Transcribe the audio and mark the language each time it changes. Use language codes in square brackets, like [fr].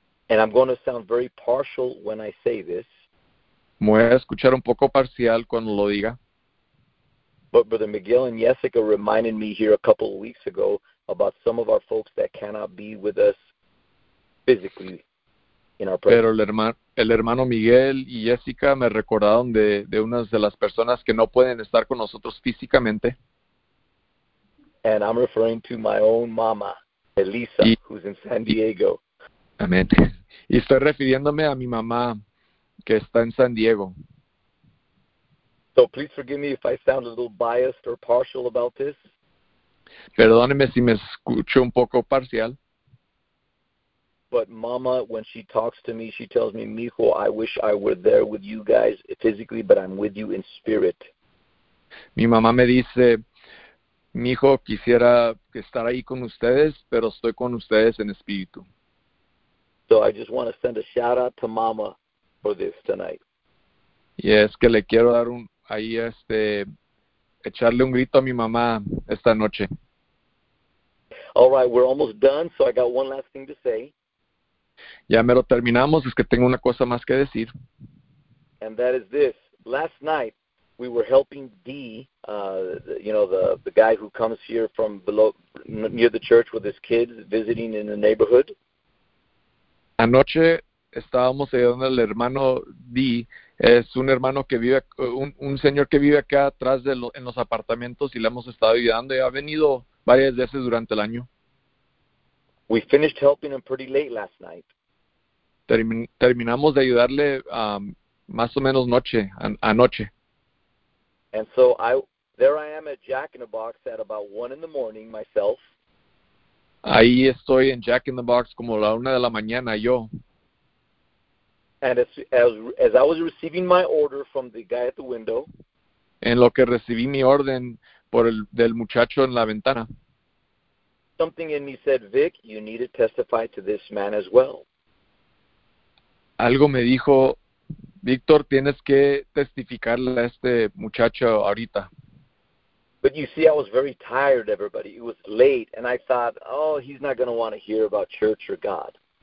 [en] And I'm going to sound very partial when I say this. [es] Voy a escuchar un poco parcial cuando lo diga. [en] But Brother Miguel and Jessica reminded me here a couple of weeks ago about some of our folks that cannot be with us physically in our presence. [es] Pero el hermano Miguel y Jessica me recordaron de unas de las personas que no pueden estar con nosotros físicamente. [en] And I'm referring to my own mama, Elisa, who's in San Diego. [es] Amén. Y estoy refiriéndome a mi mamá que está en San Diego. [en] So please forgive me if I sound a little biased or partial about this. [es] Perdóneme si me escucho un poco parcial. [en] But mama, when she talks to me, she tells me, mijo, I wish I were there with you guys physically, but I'm with you in spirit. [es] Mi mamá me dice, mijo, quisiera estar ahí con ustedes, pero estoy con ustedes en espíritu. [en] So I just want to send a shout out to mama for this tonight. [es] Y es que le quiero dar un, ahí este, echarle un grito a mi mamá esta noche. [en] All right, we're almost done, so I got one last thing to say. [es] Ya mero terminamos, es que tengo una cosa más que decir. [en] And that is this. Last night, we were helping Dee, the guy who comes here from below, near the church with his kids, visiting in the neighborhood. [es] Anoche estábamos ayudando al hermano Dee, es un hermano que vive, un señor que vive acá atrás de en los apartamentos y le hemos estado ayudando y ha venido varias veces durante el año. [en] We finished helping him pretty late last night. [es] Terminamos de ayudarle más o menos anoche. [en] And so there I am at Jack in the Box at about 1 a.m. myself. [es] Ahí estoy en Jack in the Box como la 1 a.m. yo. [en] And as I was receiving my order from the guy at the window. [es] En lo que recibí mi orden por el del muchacho en la ventana. [en] Something in me said, Vic, you need to testify to this man as well. [es] Algo me dijo, Víctor, tienes que testificarle a este muchacho ahorita. [en] But you see, I was very tired, everybody. It was late, and I thought, oh, he's not going to want to hear about church or God.